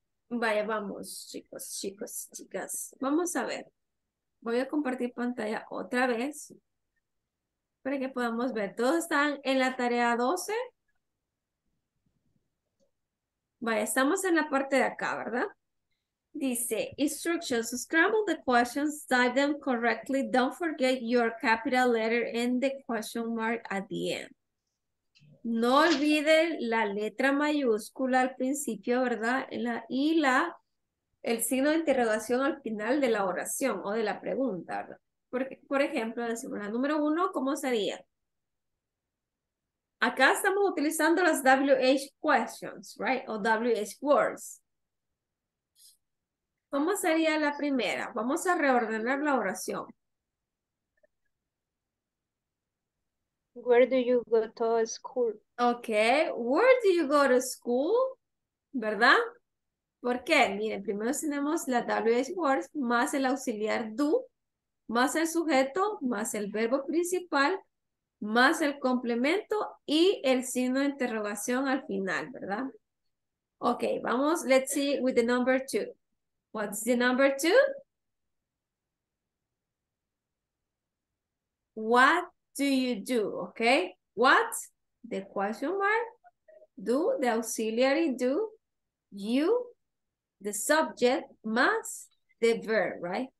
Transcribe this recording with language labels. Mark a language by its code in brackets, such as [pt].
[es] Vaya, vamos, chicos, chicas. Vamos a ver. Voy a compartir pantalla otra vez para que podamos ver. ¿Todos están en la tarea 12? Vaya, estamos en la parte de acá, ¿verdad? Dice, [en] instructions, scramble the questions, type them correctly, don't forget your capital letter and the question mark at the end. [es] No olviden la letra mayúscula al principio, ¿verdad? El signo de interrogación al final de la oración o de la pregunta, ¿verdad? Porque, por ejemplo, decimos la número uno, ¿cómo sería? Acá estamos utilizando las WH questions, [en] right? O WH words. [es] ¿Cómo sería la primera? Vamos a reordenar la oración. [en] Where do you go to school? Okay, where do you go to school? [es] ¿Verdad? ¿Por qué? Miren, primero tenemos la WH words más el auxiliar do, más el sujeto, más el verbo principal, más el complemento y el signo de interrogación al final, ¿verdad? [en] Ok, [es] vamos, [en] let's see with the number two. What's the number two? What do you do? Ok, what? The question mark. Do, the auxiliary do. You, the subject, [es] más [en] the verb, right?